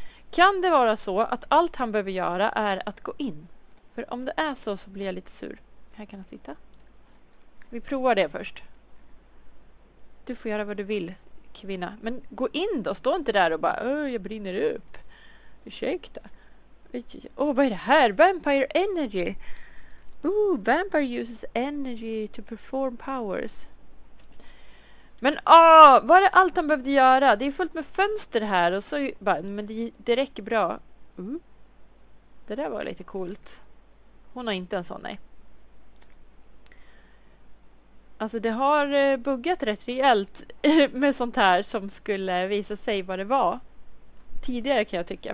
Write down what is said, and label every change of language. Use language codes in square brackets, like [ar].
[sv] Kan det vara så att allt han behöver göra är att gå in? För om det är så blir jag lite sur. Här kan jag sitta. Vi provar det först. Du får göra vad du vill, kvinna. Men gå in då. Stå inte där och bara, jag brinner upp. Ursäkta. Oh, vad är det här? [en] Vampire energy. Ooh, vampire uses energy to perform powers. [sv] Men vad är det allt han behövde göra? Det är fullt med fönster här. Och så bara, men det räcker bra. Det där var lite coolt. Hon har inte en sån, nej. Alltså det har buggat rätt rejält med sånt här som skulle visa sig vad det var. Tidigare kan jag tycka.